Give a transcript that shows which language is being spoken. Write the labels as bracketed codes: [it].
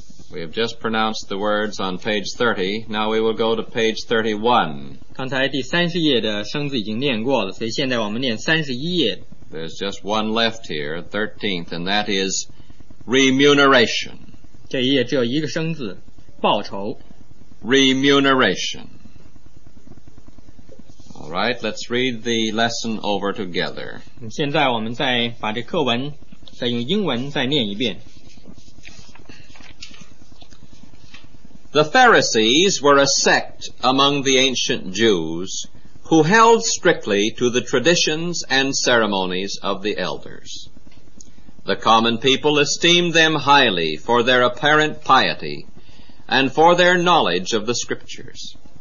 [en] We have just pronounced the words on page 30. Now we will go to page 31. [zh] 刚才第30页的生字已经念过了，所以现在我们念31页。 [en] There's just one left here, 13th, and that is remuneration. [zh] 这一页只有一个生字，报酬。 [en] Remuneration. All right, let's read the lesson over together. [zh] 现在我们再把这课文再用英文再念一遍。 [en] The Pharisees were a sect among the ancient Jews who held strictly to the traditions and ceremonies of the elders. The common people esteemed them highly for their apparent piety and for their knowledge of the scriptures.